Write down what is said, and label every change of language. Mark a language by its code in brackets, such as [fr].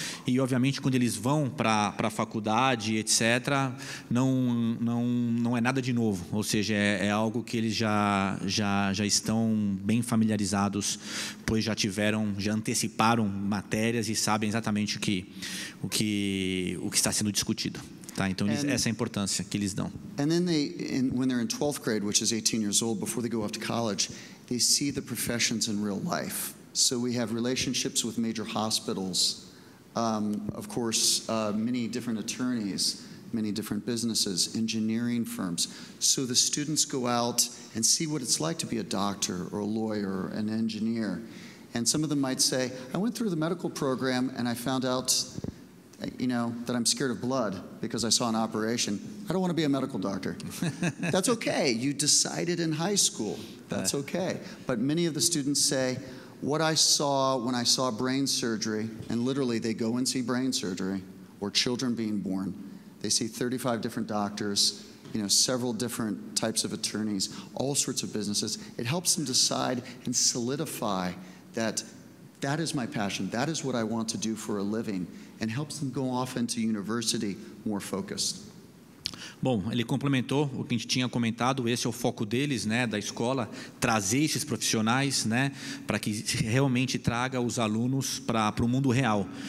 [pt] E obviamente quando eles vão para a faculdade, etc., não é nada de novo. Ou seja, é algo que eles já estão bem familiarizados, pois já anteciparam matérias e sabem exatamente o que está sendo discutido. Tá, então essa é a importância que eles dão. [en] And then when they're in 12th grade, which is 18 years old, before they go off to college, they see the professions in real life. So we have relationships with major hospitals, of course, many different attorneys, many different businesses, engineering firms. So the students go out and see what it's like to be a doctor or a lawyer or an engineer. And some of them might say, I went through the medical program and I found out, you know, that I'm scared of blood because I saw an operation. I don't want to be a medical doctor. That's okay. You decided in high school. That's okay. But many of the students say, what I saw when I saw brain surgery, and literally they go and see brain surgery or children being born, they see 35 different doctors, you know, several different types of attorneys, all sorts of businesses. It helps them decide and solidify that is my passion. That is what I want to do for a living. And helps them go off into university more focused. [pt] Bom, ele complementou o que a gente tinha comentado. Esse é o foco deles, né, da escola, trazer esses profissionais, né, para que realmente traga os alunos para o mundo real.